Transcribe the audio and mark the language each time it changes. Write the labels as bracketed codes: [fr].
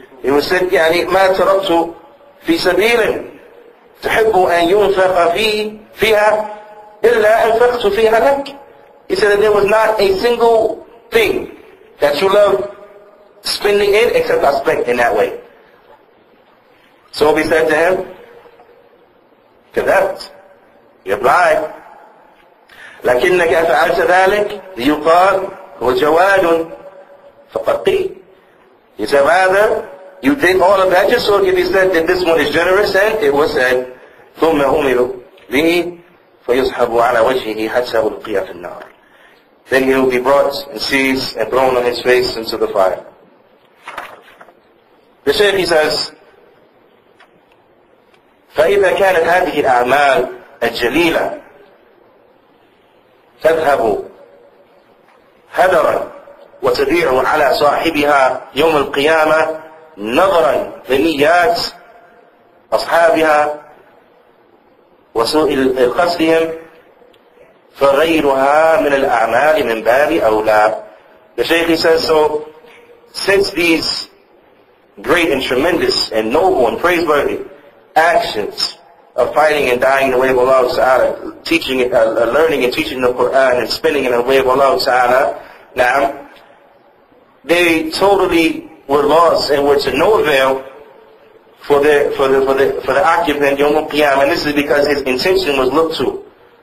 [en] He will say, [ar] يعني ما تركت في سبيل تحب أن ينفق فيه فيها إلا أنفقت فيها لك. [en] He said that there was not a single thing that you love spending in except I spent in that way. So he said to him, [ar] كذبت. [en] You lied. [ar] لكنك فعلت ذلك ليقال هو جواد فقطي. [en] He said, rather, you did all of that just so it could be said that this one is generous, and it was said, [ar] ثم أمروا به فيسحبوا على وجهه حتى ألقي في النار. [en] Then he will be brought and seized and thrown on his face into the fire. The Shaykh, he says, [ar] فإذا كانت هذه الأعمال الجليلة تذهب هدرا وتضيع على صاحبها يوم القيامة نظرا لنيات أصحابها وسوء قصدهم فغيرها من الأعمال من باب أولى. [en] The Shaykh says, so since these great and tremendous and noble and praiseworthy actions of fighting and dying in the way of Allah Ta'ala, teaching, learning and teaching the Quran and spending in the way of Allah Ta'ala, now they totally were lost and were to no avail for the occupant Yawm al-Qiyamah. And this is because his intention was looked to.